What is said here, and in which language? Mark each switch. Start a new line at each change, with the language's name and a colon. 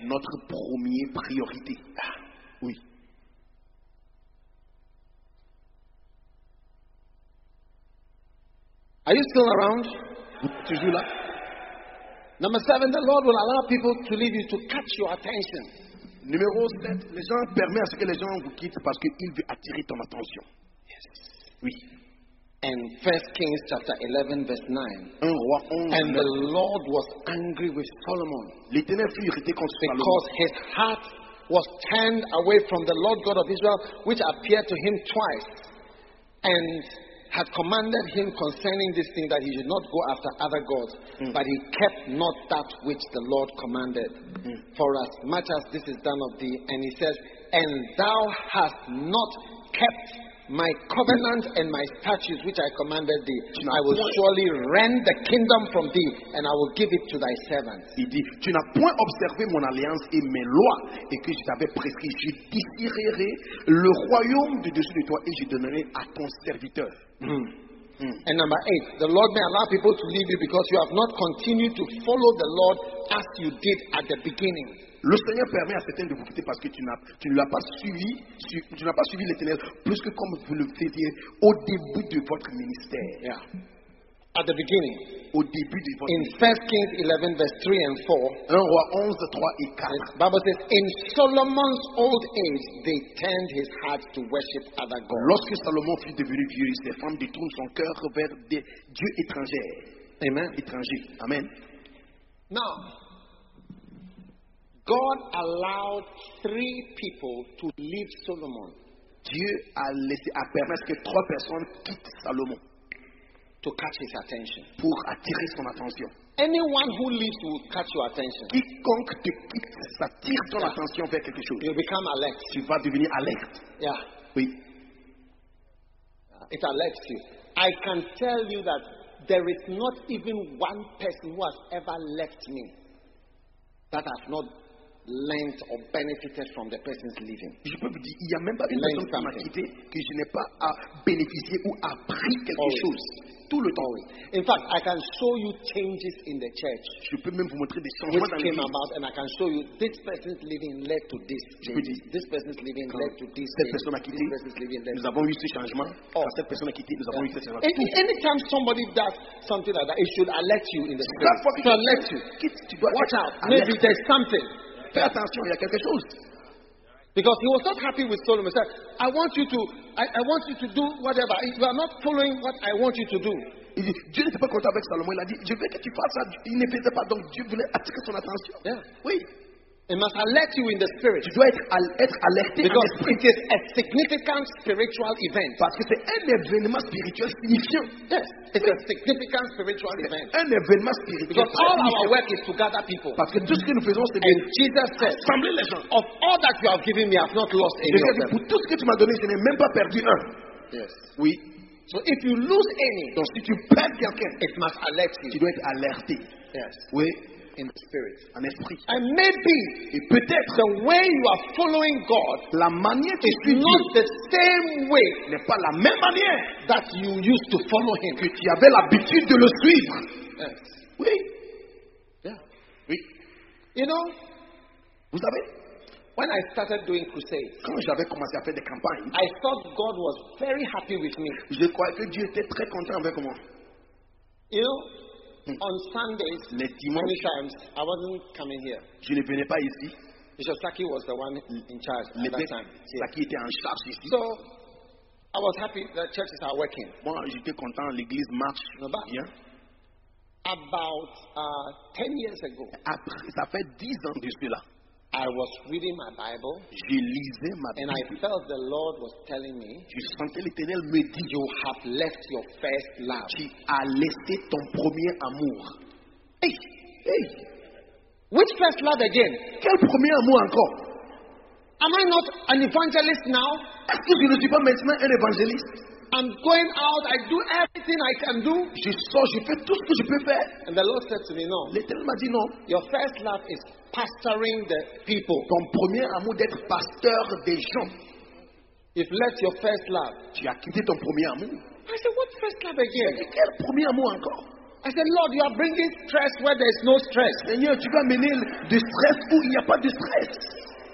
French: Notre première priorité. Ah, oui.
English: Are you still around?
French: Toujours là.
English: Number 7, the Lord will allow people to leave you to catch your attention.
French: Numéro 7, les gens permettent à ce que les gens vous quittent parce qu'il veut attirer ton attention.
English: Yes.
French: Oui.
English: And 1 Kings chapter 11 verse 9.
French: Un roi,
English: and the Lord was angry with Solomon.
French: L'Éternel fut irrité contre Salomon.
English: Because his heart was turned away from the Lord God of Israel, which appeared to him twice, and had commanded him concerning this thing that he should not go after other gods, but he kept not that which the Lord commanded. For as much as this is done of thee, and he says, and thou hast not kept my covenant and my statutes which I commanded thee, I will surely rend the kingdom from thee and I will give it to thy servants.
French: Il dit, tu n'as point observé mon alliance et mes lois et que je t'avais prescrit. Je tirerai le royaume de dessus de toi et je donnerai à ton serviteur.
English: And number 8, the Lord may allow people to leave you because you have not continued to follow the Lord as you did at the beginning.
French: Le Seigneur permet à certains de vous quitter parce que tu n'as pas suivi l'Éternel plus que comme vous le faisiez au début de votre ministère.
English: Yeah. At the beginning.
French: Au début de votre
English: in 1 Kings 11 verse 3 and 4.
French: 1 Roi 11, 3 et 4.
English: The Bible says, in Solomon's old age, they turned his heart to worship other gods.
French: Lorsque Salomon fut devenu vieux, les femmes détournent son cœur vers des dieux étrangers.
English: Amen.
French: Étrangers. Amen.
English: Now, God allowed 3 people to leave Solomon.
French: Dieu a permis que 3 personnes quittent Salomon.
English: To catch his attention.
French: Pour attirer son attention.
English: Anyone who leaves will catch your attention.
French: Quiconque te quitte s'attire ton attention vers quelque chose.
English: You become alert.
French: Tu vas devenir alerte.
English: Yeah.
French: Oui.
English: It alerts you. I can tell you that there is not even one person who has ever left me that has not learned or benefited from the person's leaving.
French: Je peux vous dire, il y a même pas une personne qui m'a quitté que je n'ai pas à bénéficier ou appris quelque
English: always.
French: Chose. Tout le temps.
English: Always. In fact, I can show you changes in the church.
French: Je peux même vous montrer des changements dans l'église.
English: Came about, and I can show you this person's leaving led to this. This person's leaving led to this.
French: Cette personne a quitté. Nous avons eu ce changement. Oh. Cette personne a quitté. Nous avons eu ce changement.
English: Anytime somebody does something like that, it should alert you in the church. That's what it should alert you. Watch out. Maybe there's something.
French: Fais attention, il y a quelque chose.
English: Because he was not happy with Solomon. He said, I want you to, I want you to do whatever. You are not following what I want you to do.
French: Il dit, Dieu n'était pas content avec Salomon. Il a dit, je veux que tu fasses ça. Il ne faisait pas. Donc Dieu voulait attirer son attention.
English: Yeah.
French: Oui.
English: It must alert you in the spirit.
French: Tu dois être alerté
English: because
French: en esprit.
English: It is a significant spiritual event.
French: Parce que c'est un événement spirituel signifiant.
English: Yes. It's a significant spiritual event.
French: Un événement spirituel.
English: Because all our work is to gather people.
French: Parce que tout ce que nous faisons, c'est
English: and Jesus said,
French: assembler les gens.
English: Of all that you have given me, I have not lost any.
French: Je dis, pour tout ce que tu m'as donné, je n'ai même pas perdu un.
English: Yes.
French: Oui.
English: So if you lose any,
French: donc si tu perds quelqu'un,
English: it must alert you.
French: Tu dois être alerté.
English: Yes.
French: Oui.
English: In the spirit.
French: En esprit.
English: And maybe
French: et peut-être
English: the way you are following God
French: la manière que
English: is not
French: Dieu
English: the same way
French: n'est pas la même manière
English: that you used to follow him.
French: Que tu avais l'habitude de le suivre.
English: Yes.
French: Oui.
English: Yeah.
French: Oui.
English: You know,
French: vous savez,
English: when I started doing crusades,
French: quand j'avais commencé à faire des campagnes,
English: I thought God was very happy with me.
French: Je croyais que Dieu était très content avec moi.
English: You know, on Sundays,
French: les dimanches,
English: many times, I wasn't coming here.
French: Je ne venais pas ici.
English: Bishop Saki was the one in charge
French: le
English: at that time.
French: Saki était en charge ici.
English: So, I was happy that churches are working.
French: Moi, j'étais content, l'église marche.
English: No, but
French: bien.
English: About 10 years ago,
French: après, ça fait 10 ans de cela,
English: I was reading my Bible,
French: je lisais ma Bible,
English: and I felt the Lord was telling me,
French: je sentais l'Éternel me dit,
English: you have left your first love.
French: Tu as laissé ton premier amour.
English: Hey, hey. Which first love again?
French: Quel premier amour encore?
English: Am I not an evangelist now?
French: Est-ce que je ne suis pas maintenant un évangéliste?
English: I'm going out, I do everything I can do.
French: Je sors, je fais tout ce que je peux faire.
English: And the Lord said to me, no.
French: L'Éternel m'a dit non.
English: Your first love is pastoring the people.
French: Ton premier amour d'être pasteur des gens.
English: You've left your first love.
French: Tu as quitté ton premier amour.
English: I said, what first love again?
French: J'ai dit, quel premier amour encore?
English: I said, Lord, you are bringing stress where there is no stress.
French: Seigneur, tu vas mener du stress où il n'y a pas de stress.